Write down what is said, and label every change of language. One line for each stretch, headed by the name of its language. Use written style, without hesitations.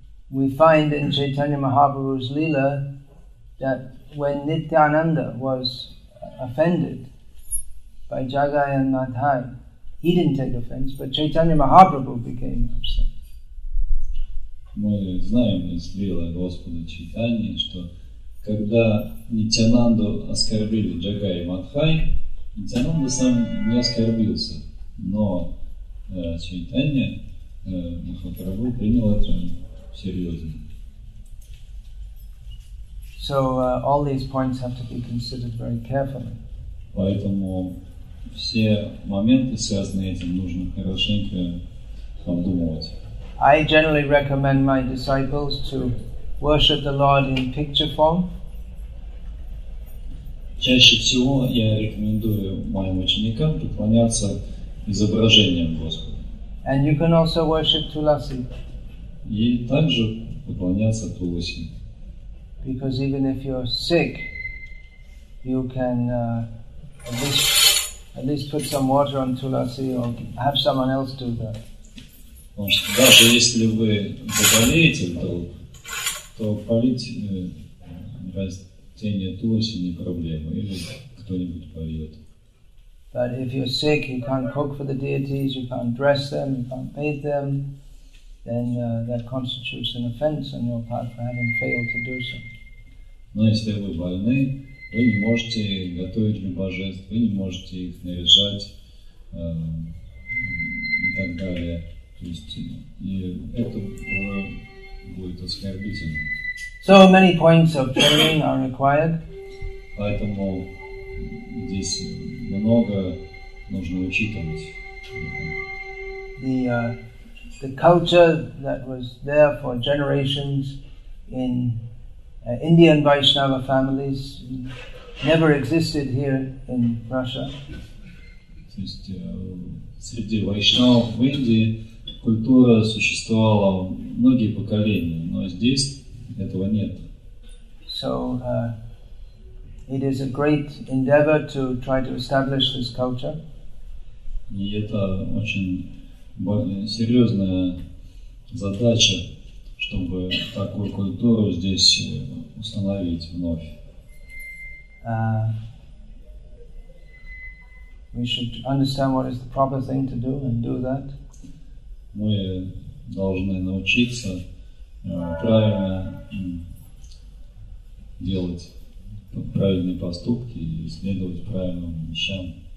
English: We find in Chaitanya Mahaprabhu's Leela that when Nityananda was offended by Jagai and Madhai, he didn't take offense, but Chaitanya Mahaprabhu became upset.
Russian: Мы знаем из Лилы Господа Чайтаньи, что когда Нитянанду оскорбили Джагай и Мадхай, Нитянанда сам не оскорбился, но Чайтанья Махапрабху принял это серьезно.
English: So all these points have to be considered very carefully.
Russian: Поэтому все моменты, связанные с этим, нужно хорошенько обдумывать.
English: I generally recommend my disciples to worship the Lord in picture form.
Russian: Чаще всего я рекомендую моим ученикам поклоняться изображением Господа.
English: And you can also worship Tulasi.
Russian: И также поклоняться Туласи.
English: Because even if you're sick, you can at least put some water on Tulasi or have someone else do that.
Russian: Потому что даже если вы заболеете, то полить растение Туласи не проблема, или кто-нибудь польет.
English: But if you're sick, you can't cook for the deities, you can't dress them, you can't bathe them, then that constitutes an offense on your part for having failed to do so.
Russian: Но если вы больны, вы не можете готовить для божеств, вы не можете их наряжать и так далее. То есть, и это будет оскорбительно.
English: So many points of training are required.
Russian: Поэтому здесь много нужно учитывать.
English: The culture that was there for generations in Indian Vaishnava families never existed here in Russia.
Russian: То есть среди вайшнавов в Индии культура существовала многие поколения, но здесь этого нет.
English: So, it is a great endeavor to try to establish this culture.
Russian: И это очень серьезная задача, чтобы такую культуру здесь установить вновь.
English: We should understand what is the proper thing to do and do that.
Russian: Мы должны научиться правильно делать правильные поступки и следовать правильным вещам.